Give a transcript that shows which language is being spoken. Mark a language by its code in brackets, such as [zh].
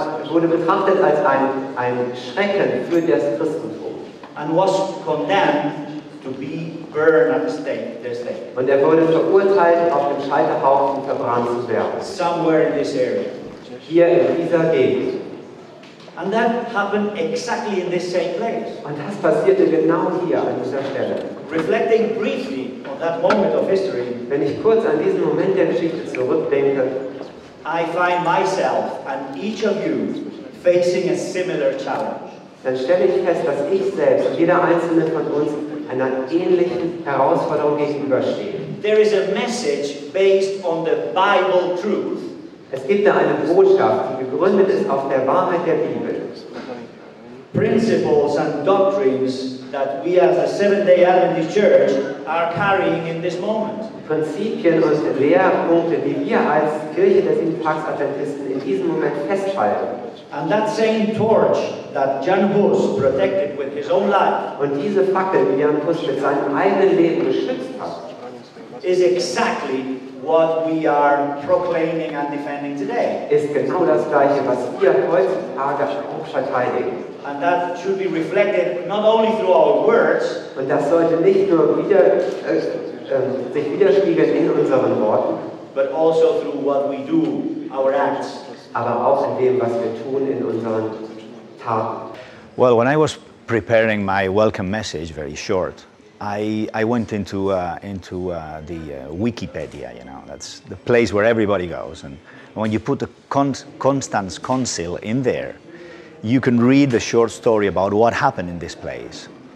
[de] Wurde betrachtet als ein Schrecken für das Christentum. [en] And was condemned to be burned at the stake. [de] Und wurde verurteilt, auf dem Scheiterhaufen verbrannt zu werden. [en] Somewhere in this area. [de] Hier in dieser Gegend. [en] And that happened exactly in this same place. [de] Und das passierte genau hier an dieser Stelle. [en] Reflecting briefly on that moment of history, [de] wenn ich kurz an diesen Moment der Geschichte zurückdenke, [en] I find myself and each of you facing a similar challenge. [de] Dann stelle ich fest, dass ich selbst und jeder einzelne von uns einer ähnlichen Herausforderung gegenüberstehen. [en] There is a message based on the Bible truth. [de] Es gibt da eine Botschaft, die gegründet ist auf der Wahrheit der Bibel. [en] Principles and doctrines that we as a Seventh-day Adventist Church are carrying in this moment. [de] Prinzipien und Lehrpunkte, die wir als Kirche des Siebentags-Adventisten in diesem Moment festhalten. [en] And that same torch that Jan Hus protected with his own life. [de] Und diese Fackel, die Jan Hus mit seinem eigenen Leben geschützt hat, [en] is exactly what we are proclaiming and defending today. [de] Ist genau das Gleiche, was wir heutzutage auch verteidigen. [en] And that should be reflected not only through our words, [de] und das sollte nicht nur wieder sich widerspiegeln in unseren Worten, [en] but also through what we do, our acts, [de] aber auch in dem, was wir tun in unseren Taten. [en] Well, when I was preparing my welcome message, very short, I went into the Wikipedia, you know, that's the place where everybody goes. And when you put the Constance Concil in there, you can read the short story about what happened in this place.